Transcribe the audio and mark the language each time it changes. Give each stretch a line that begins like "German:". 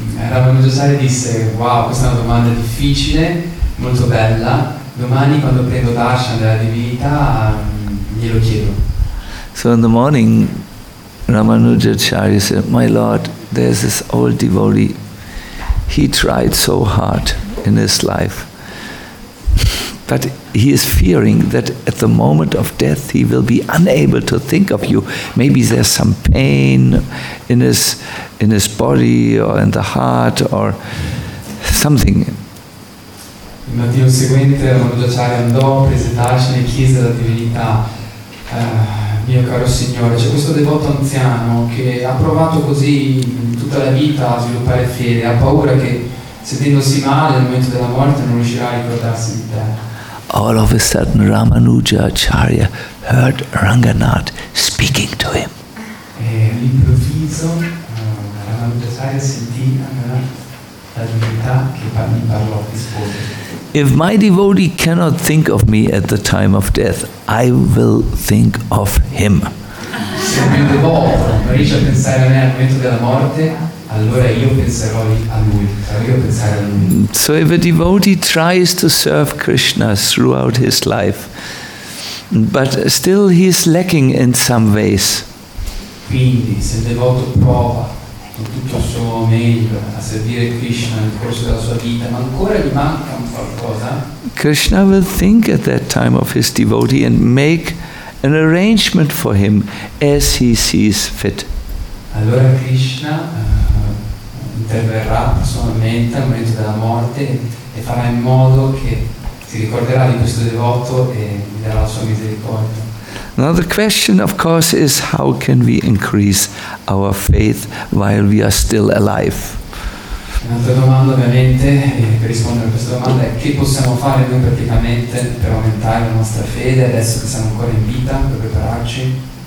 Italian: Ramanujacharya disse, "Wow, questa è una domanda difficile, molto bella. Domani quando prendo darshan della divinità, glielo chiedo."
English: So in the morning, Ramanujacharya said, "My Lord, there's this old devotee. He tried so hard in his life. But he is fearing that at the moment of death he will be unable to think of you. Maybe there's some pain in his body or in the heart or something.
Italian: Il mattino seguente Mordecai andò a presentarsi in chiesa della divinità. Mio caro Signore, c'è questo devoto anziano che ha provato così tutta la vita a sviluppare fede, ha paura che sentendosi male al momento della morte non riuscirà a ricordarsi di te.
English: All of a sudden Ramanuja Acharya heard Ranganath speaking to him.
Italian: E all'improvviso Ramanuja Acharya sentì la divinità che parlò, rispose.
English: If my devotee cannot think of me at the time of death, I will think of him.
Italian: Se il mio devoto non riesce a pensare a me al momento della morte, allora io penserò a lui, sarò io a pensare a lui.
English: So if a devotee tries to serve Krishna throughout his life, but still he is lacking in some ways.
Italian: Quindi se il devoto prova con tutto il suo meglio a servire Krishna nel corso della sua vita, ma ancora gli manca un qualcosa,
English: Krishna will think at that time of his devotee and make an arrangement for him as he sees fit.
Italian: Allora Krishna interverrà personalmente al momento della morte e farà in modo che si ricorderà di questo devoto e gli darà la sua misericordia.
English: Now the question, of course, is how can we increase our faith while we are still alive?
Italian: Un'altra domanda, ovviamente, per rispondere a questa domanda è che possiamo fare noi praticamente per aumentare la nostra fede adesso che siamo ancora in vita, per prepararci?